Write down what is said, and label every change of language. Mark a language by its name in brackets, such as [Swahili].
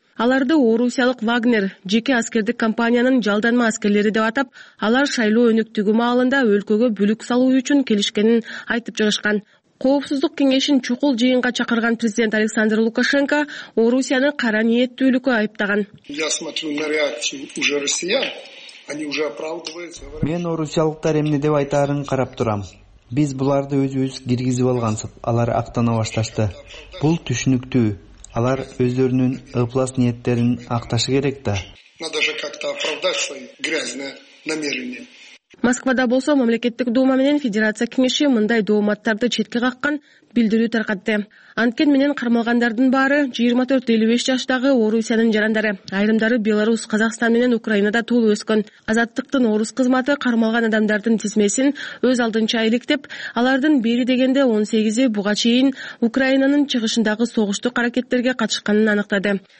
[Kyrgyz] Аларды орусиялык Вагнер жеке аскердик компаниянын жалданма аскерлери деп атап, алар шайлоо өнөктүгү маалында өлкөгө бүлүк салуу үчүн келишкенин айтып чыгышкан. Коопсуздук кеңешин чукул жыйынга чакырган президент Александр Лукашенко Орусияны кара ниеттүүлүккө айыптаган. [Russian] Я смотрю на реакцию уже россиян. Они уже оправдываются. [Kyrgyz] Мен орусиялыктар эмне деп айтаарын карап турам. Биз буларды өзүбүз киргизип алгансып, алар актана башташты. Бул түшүнүктүү. Алар өздөрүнүн ыплас ниеттерин акташы керек да. [Russian] Надо же как-то оправдать свои грязные намерения. [Kyrgyz] Москвада болсо мамлекеттик дума менен федерация кеңеши мындай дооматтарды четке каккан билдирүү таркатты. Анткен менен кармалгандардын баары 24-55 жаштагы Орусиянын жарандары. Айрымдары Беларусь, Казакстан менен Украинада туулуп өскөн. Азаттыктын орус кызматы кармалган адамдардын тизмесин өз алдынча иликтеп, алардын бири дегенде 18-и буга чейин Украинанын чыгышындагы согуштук аракеттерге катышканын аныктады.